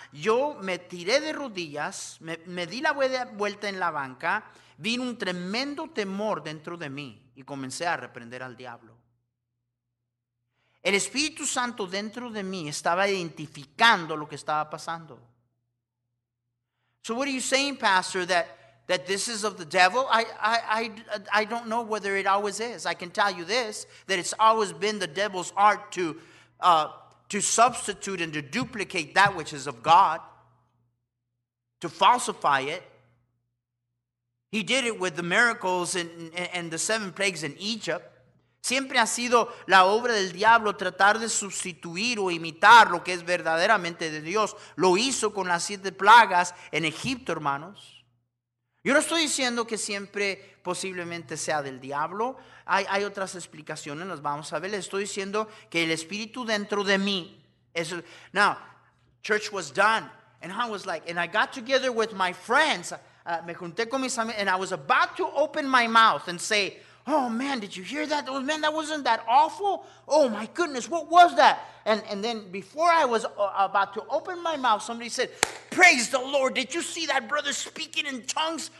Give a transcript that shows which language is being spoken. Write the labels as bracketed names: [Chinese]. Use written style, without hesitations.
[Spanish] Yo me tiré de rodillas, me di la vuelta en la banca, vino un tremendo temor dentro de mí y comencé a reprender al diablo. El Espíritu Santo dentro de mí estaba identificando lo que estaba pasando. [English] So what are you saying, Pastor, that this is of the devil? I don't know whether it always is. I can tell you this, that it's always been the devil's art to substitute and to duplicate that which is of God, to falsify it. He did it with the miracles and the seven plagues in Egypt. [Spanish] Siempre ha sido la obra del diablo tratar de sustituir o imitar lo que es verdaderamente de Dios. Lo hizo con las siete plagas en Egipto, hermanos. Yo no estoy diciendo que siempre posiblemente sea del diablo. Hay otras explicaciones, las vamos a ver. Les estoy diciendo que el espíritu dentro de mí. [English] Now, church was done. And I was like, and I got together with my friends. [Spanish] Me junté con mis amigos. [English] And I was about to open my mouth and say, oh man, did you hear that? Man, that wasn't that awful. Oh my goodness, what was that? And then before I was about to open my mouth, somebody said, praise the Lord, did you see that brother speaking in tongues?